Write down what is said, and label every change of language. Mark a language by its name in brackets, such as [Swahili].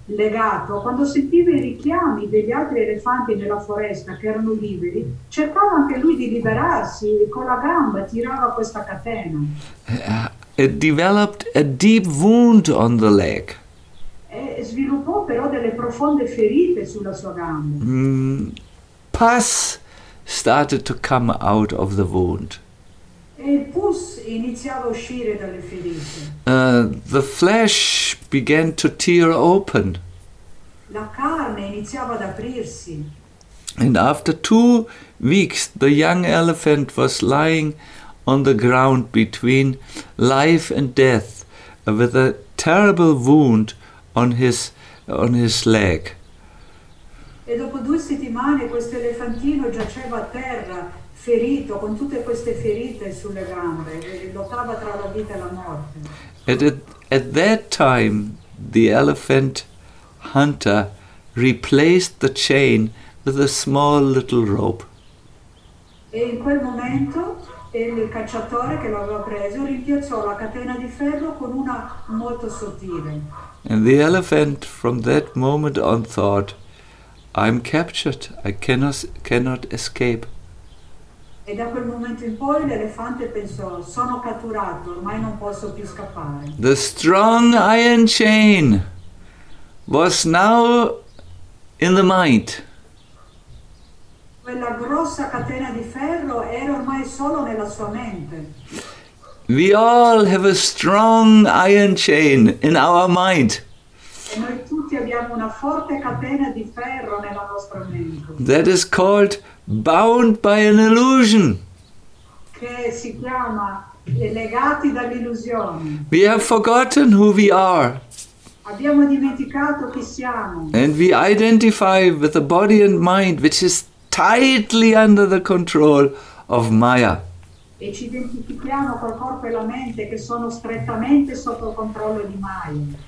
[Italian] legato, quando sentiva i richiami degli altri elefanti nella foresta che erano liberi, cercava anche lui di liberarsi, con la gamba tirava questa catena. [English] It developed a deep wound on the leg. [Italian] E sviluppò però delle profonde ferite sulla sua gamba. [English] Pus started to come out of the wound. [Italian] E il pus iniziava a uscire dalle ferite. [English] The flesh began to tear open. [Italian] La carne iniziava ad aprirsi. [English] And after 2 weeks, the young elephant was lying on the ground between life and death, with a terrible wound on his leg. [Italian] E dopo 2 settimane questo elefantino giaceva a terra, ferito, con tutte queste ferite sulle gambe, e lottava tra la vita e la morte. [English] At that time, the elephant hunter replaced the chain with a small little rope. [Italian] E in quel momento il cacciatore che lo aveva preso rimpiazzò la catena di ferro con una molto sottile. [English] And the elephant from that moment on thought, I'm captured, I cannot escape. [Italian] E da quel momento in poi l'elefante pensò, sono catturato, ormai non posso più scappare. [English] The strong iron chain was now in the mind. [Italian] Quella grossa catena di ferro era ormai solo nella sua mente. [English] We all have a strong iron chain in our mind. [Italian] E noi tutti abbiamo una forte catena di ferro nella nostra mente. [English] That is called bound by an illusion. [Italian] Che si chiama legati dall'illusione. [English] We have forgotten who we are. [Italian] Abbiamo dimenticato chi siamo. [English] And we identify with the body and mind, which is tightly under the control of Maya. [Italian] E ci identifichiamo col corpo e la mente che sono strettamente sotto controllo di Maya.